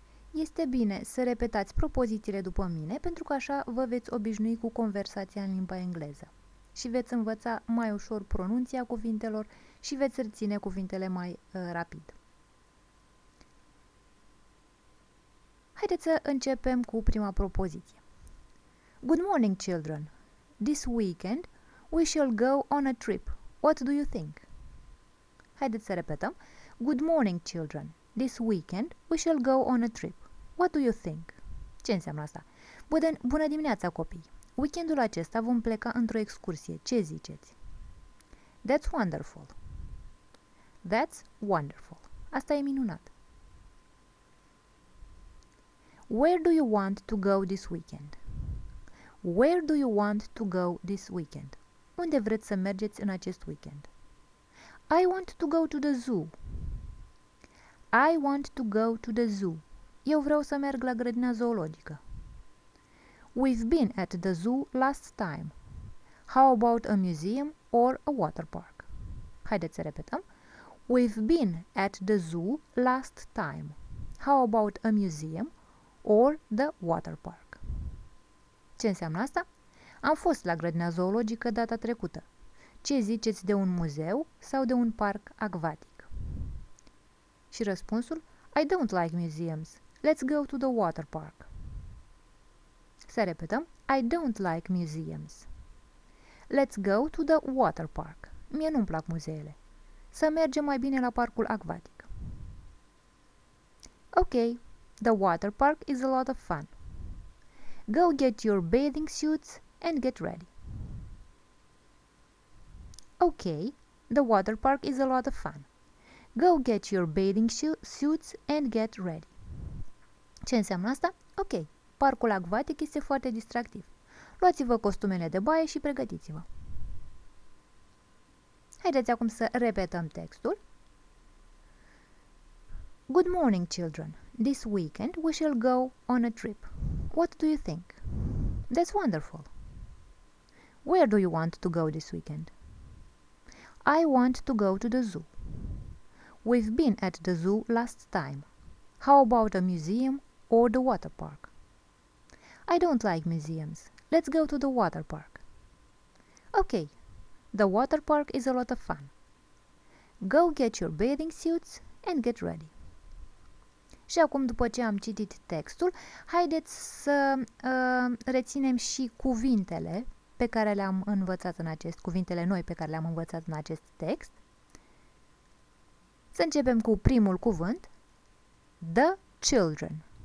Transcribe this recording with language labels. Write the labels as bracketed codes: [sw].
[ro] Este bine să repetați propozițiile după mine, pentru că așa vă veți obișnui cu conversația în limba engleză și veți învăța mai ușor pronunția cuvintelor și veți reține cuvintele mai rapid. Haideți să începem cu prima propoziție. [en] Good morning, children. This weekend we shall go on a trip. What do you think? [ro] Haideți să repetăm. [en] Good morning, children. This weekend we shall go on a trip. What do you think? [ro] Ce înseamnă asta? Bună dimineața, copii! Weekendul acesta vom pleca într-o excursie. Ce ziceți? [en] That's wonderful. That's wonderful. [ro] Asta e minunat. [en] Where do you want to go this weekend? Where do you want to go this weekend? [ro] Unde vreți să mergeți în acest weekend? [en] I want to go to the zoo. I want to go to the zoo. [ro] Eu vreau să merg la grădina zoologică. [en] We've been at the zoo last time. How about a museum or a water park? [ro] Haideți să repetăm. [en] We've been at the zoo last time. How about a museum or the water park? [ro] Ce înseamnă asta? Am fost la grădina zoologică data trecută. Ce ziceți de un muzeu sau de un parc acvatic? Și răspunsul? [en] I don't like museums. Let's go to the water park. [ro] Să repetăm. [en] I don't like museums. Let's go to the water park. [ro] Mie nu-mi plac muzeele. Să mergem mai bine la parcul acvatic. [en] Ok, the water park is a lot of fun. Go get your bathing suits and get ready. Ok, the water park is a lot of fun. Go get your bathing suits and get ready. [ro] Ce înseamnă asta? Ok, parcul acvatic este foarte distractiv. Luați-vă costumele de baie și pregătiți-vă. Haideți acum să repetăm textul. [en] Good morning, children. This weekend we shall go on a trip. What do you think? That's wonderful. Where do you want to go this weekend? I want to go to the zoo. We've been at the zoo last time. How about a museum or the water park? I don't like museums. Let's go to the water park. Okay, the water park is a lot of fun. Go get your bathing suits and get ready. [ro] Și acum, după ce am citit textul, haideți să reținem și cuvintele pe care le-am învățat în acest, cuvintele noi pe care le-am învățat în acest text. Să începem cu primul cuvânt, the children.